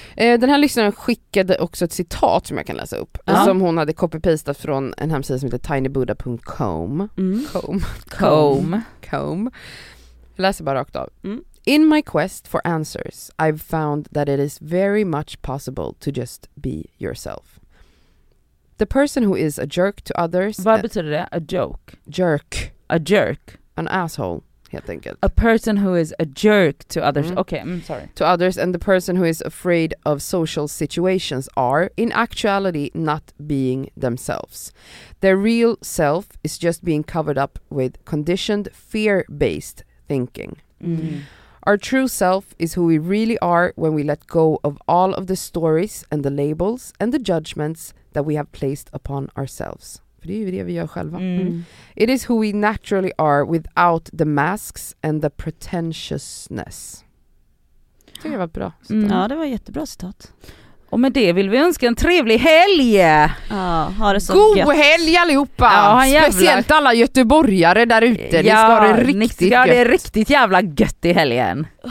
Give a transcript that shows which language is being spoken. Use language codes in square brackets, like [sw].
[sv] Den här lyssnaren skickade också ett citat som jag kan läsa upp. Uh-huh. Som hon hade copy-pastat från en hemsida som heter tinybuddha.com. Com. Jag läser bara rakt av. Mm. [en] In my quest for answers, I've found that it is very much possible to just be yourself. The person who is a jerk to others... [sv] Vad betyder det? [en] A joke? Jerk. A jerk. An asshole, [sv] helt enkelt. [en] A person who is a jerk to others. Mm. Okay, I'm sorry. To others, and the person who is afraid of social situations are, in actuality, not being themselves. Their real self is just being covered up with conditioned, fear-based thinking. Mm. Our true self is who we really are when we let go of all of the stories and the labels and the judgments that we have placed upon ourselves. [sv] För det är ju det vi gör själva. Mm. [en] It is who we naturally are without the masks and the pretentiousness. [sv] Det tycker jag var bra. Mm. Ja, det var jättebra citat. Och med det vill vi önska en trevlig helg. Ja, ha det så god gött. Helg allihopa. Ja, speciellt alla göteborgare där ute. Ja, det ska vara riktigt gött. Det är riktigt jävla gött i helgen.